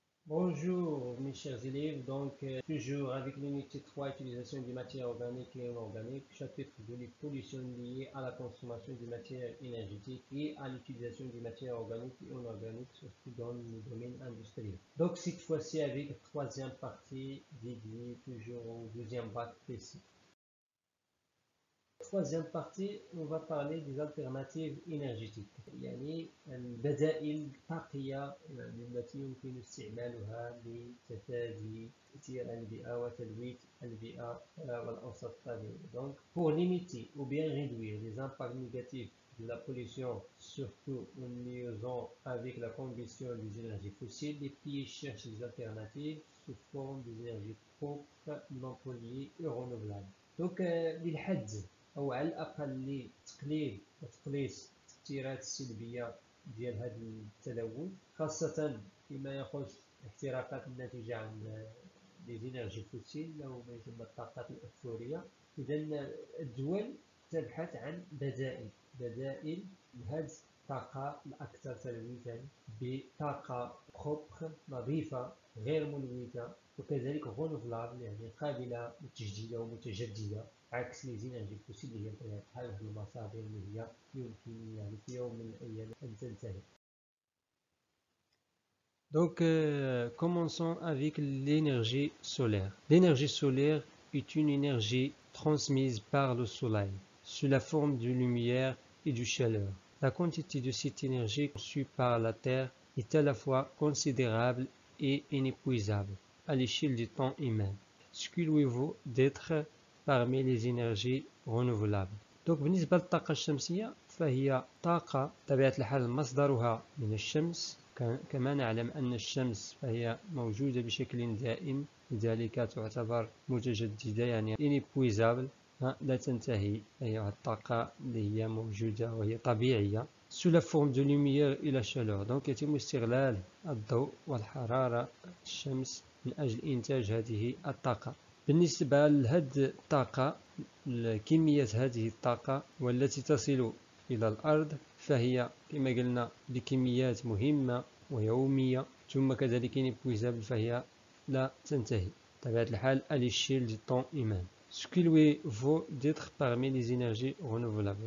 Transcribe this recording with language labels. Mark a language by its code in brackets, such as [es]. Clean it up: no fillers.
[fr] Bonjour mes chers élèves, toujours avec l'unité 3 utilisation des matières organiques et inorganiques, chapitre 2 les pollutions liées à la consommation des matières énergétiques et à l'utilisation des matières organiques et inorganiques surtout dans le domaine industriel. Donc cette fois-ci avec troisième partie dédiée toujours au deuxième bac précis. Troisième partie, on va parler des alternatives énergétiques. [ar] Yani, البدائل الطاقية التي يمكن استعمالها لتفادي تأثير البيئة وتلوث البيئة والأوساط الطبيعية. [fr] Donc, pour limiter ou bien réduire les impacts négatifs de la pollution, surtout en liaison avec la combustion des énergies fossiles, les pays cherchent des alternatives sous forme des énergies propres non polluées et renouvelables. [ar] Donc, للحد أو على الأقل لتقليل وتقليص التأثيرات السلبية ديال هذا التلوث، خاصة فيما يخص الاحتراقات الناتجة عن الإنرجي فوسيل أو ما يسمى الطاقات الأحفورية. إذا الدول تبحث عن بدائل لهذه الطاقة الأكثر تلويثا بطاقة خبخ نظيفة غير ملوثة وكذلك غونوفلاب يعني قابلة للتجديد ومتجددة عكس الإنرجي الفوسيل اللي هي بطبيعة الحال المصادر اللي هي يمكن يعني في يوم من الأيام أن تنتهي. [fr] Donc, commençons avec l'énergie solaire. L'énergie solaire est une énergie transmise par le soleil sous la forme de lumière et de chaleur. La quantité de cette énergie conçue par la Terre est à la fois considérable et inépuisable à l'échelle du temps humain, ce qui lui vaut d'être parmi les énergies renouvelables. [ar] Donc, بالنسبة للطاقة الشمسية فهي طاقة بطبيعة الحال مصدرها من الشمس. كما نعلم أن الشمس فهي موجودة بشكل دائم، لذلك تعتبر متجددة يعني inépuisable، لا تنتهي. هي الطاقة اللي هي موجودة وهي طبيعية. [fr] Sous la forme de lumière et la chaleur. [ar] Donc, يتم استغلال الضوء والحرارة الشمس من أجل إنتاج هذه الطاقة. بالنسبة لهذه الطاقة، كمية هذه الطاقة والتي تصل إلى الأرض فهي كما قلنا بكميات مهمة ويومية، ثم كذلك inépuisable فهي لا تنتهي بطبيعة الحال [fr] à l'échelle du temps humain، ce qui lui vaut d'être parمي les énergies renouvelables.